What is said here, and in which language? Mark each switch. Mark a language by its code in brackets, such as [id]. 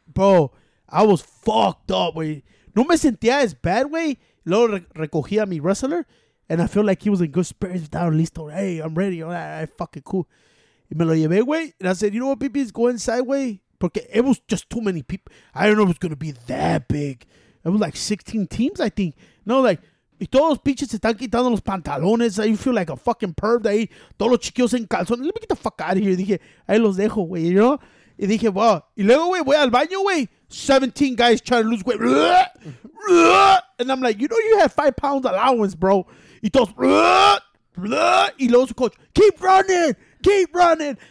[en] Bro, I was fucked up, güey. [es] No me sentía [en] as bad, güey. [es] Luego recogí a mi wrestler. [en] And I feel like he was in good spirits. Down, listo. Hey, I'm ready. All right, fucking cool. [es] Y me lo llevé, güey. [en] And I said, you know what, baby? Go inside, güey. Porque it was just too many people. I don't know if it was going to be that big. It was like 16 teams, I think. [es] No, like, y todos los pinches se están quitando los pantalones. [en] You feel like a fucking perv [es] de ahí. Todos los chiquillos en calzones. [en] Let me get the fuck out of here. [es] Dije, ahí los dejo, güey, [en] you know? [es] Y dije, wow. Y luego, güey, voy al baño, güey. [en] 17 guys trying to lose weight. And I'm like, you know you have 5 pounds allowance, bro. [es] Y todos, y luego su coach, [en] keep running, keep running.